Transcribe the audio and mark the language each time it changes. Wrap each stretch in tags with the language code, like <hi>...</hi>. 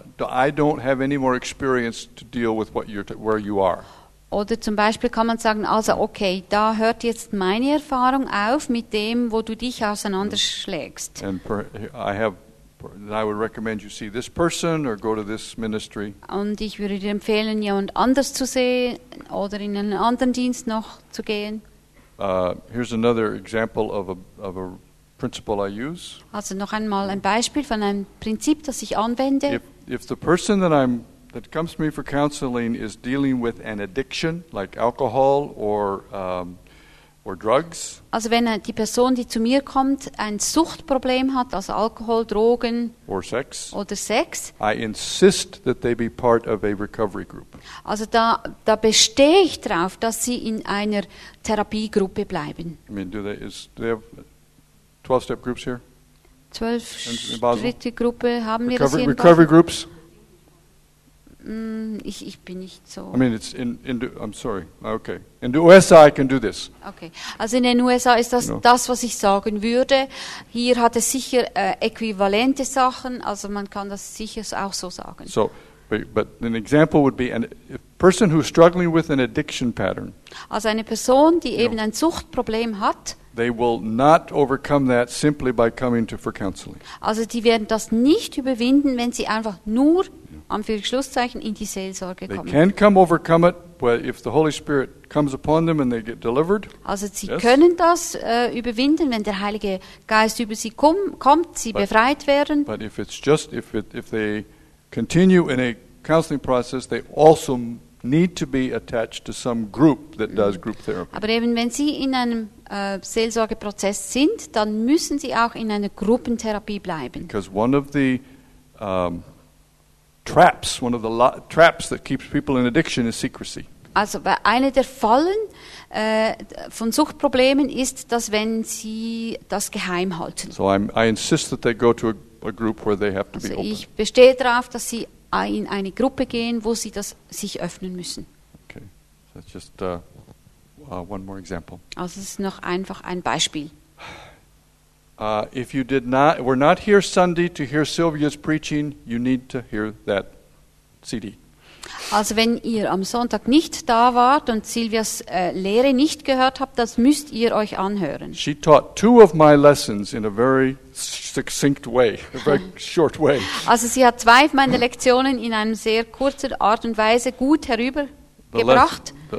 <en>I don't have any more experience to deal with where you are.</en> <de>Oder zum Beispiel kann man sagen, also okay, da hört jetzt meine Erfahrung auf mit dem, wo du dich auseinanderschlägst.</de> <en>And I would recommend you see this person or go to this ministry.</en> <de>Und ich würde dir empfehlen, jemand anders zu sehen oder in einen anderen Dienst noch zu gehen.</de> <en>Here's another example of a principle I use.</en> <de>Also noch einmal ein Beispiel von einem Prinzip, das ich anwende.</de> <en>If the person that comes to me for counseling is dealing with an addiction like alcohol or drugs.</en> <de>Also wenn die Person, die zu mir kommt, ein Suchtproblem hat, also Alkohol, Drogen oder Sex,</de> <en>I insist that they be part of a recovery group.</en> <de>Also da bestehe ich darauf, dass sie in einer Therapiegruppe bleiben.</de> <en>I mean, do they have 12-step groups here?</en> <de>12-Schritte Gruppe haben wir</de> <en>recovery,</en> <de>das hier in</de> <en>recovery groups?</en> <de>Ich bin nicht so.</de> <en>I mean, it's in. I'm sorry. Okay. In the USA, I can do this. Okay.</en> <de>Also in den USA ist das das, was ich sagen würde. Hier hat es sicher äquivalente Sachen. Also man kann das sicher auch so sagen.</de> <en>So, but an example would be, and if Person who's struggling with an addiction pattern.</en> <de>Also eine Person, die eben ein Suchtproblem hat.</de> <en>They will not overcome that simply by coming to for counseling.</en> <de>Also die werden das nicht überwinden, wenn sie einfach nur Anführungszeichen in die Seelsorge kommen.</de> <en>They can come overcome it, but if the Holy Spirit comes upon them and they get delivered.</en> <de>Also sie können das überwinden, wenn der Heilige Geist über sie kommt, sie befreit werden.</de> <en>But if it's just if they continue in a counseling process, they also need to be attached to some group that does group therapy.</en> <de>Aber eben wenn sie in einem Seelsorgeprozess sind, dann müssen sie auch in einer Gruppentherapie bleiben.</de> <en>Because one of the traps, one of the traps that keeps people in addiction is secrecy.</en> <de>Also bei einer der Fallen von Suchtproblemen ist, dass wenn sie das geheim halten.</de> <en>So I insist that they go to a group where they have to</en> <de>also</de> <en>be open.</en> <de>Ich bestehe darauf, dass sie in eine Gruppe gehen, wo sie das sich öffnen müssen.</de> <en>Okay, so that's just one more example.</en> <de>Also es ist noch einfach ein Beispiel.</de> <en>If you did not, were not here Sunday to hear Sylvia's preaching, you need to hear that CD.</en> <de>Also wenn ihr am Sonntag nicht da wart und Sylvias Lehre nicht gehört habt, das müsst ihr euch anhören.</de> <en>She taught two of my lessons in a very succinct way, a very short way.</en> <de>Also sie hat zwei meiner Lektionen in einer sehr kurzen Art und Weise gut herübergebracht.</de>